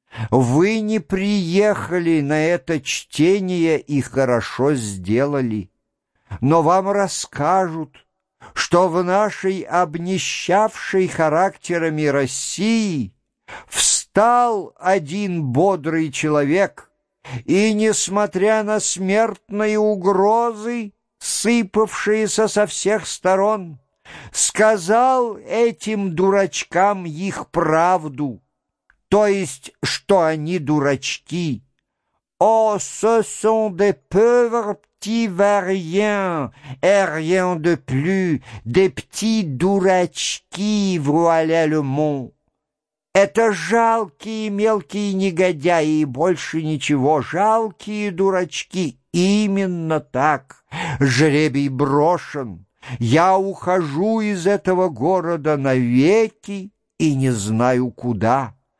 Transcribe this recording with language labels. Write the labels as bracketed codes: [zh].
[ru] Вы не приехали на это чтение и хорошо сделали, но вам расскажут, что в нашей обнищавшей характерами России встал один бодрый человек и, несмотря на смертные угрозы, сыпавшиеся со всех сторон, сказал этим дурачкам их правду. То есть, что они дурачки. [fr] О, ce sont des pauvres petits variens, et rien de plus, des petits [ru] дурачки, [fr] voilà le mot. [ru] Это жалкие мелкие негодяи, больше ничего, жалкие дурачки, именно так. Жребий брошен. Я ухожу из этого города навеки и не знаю куда.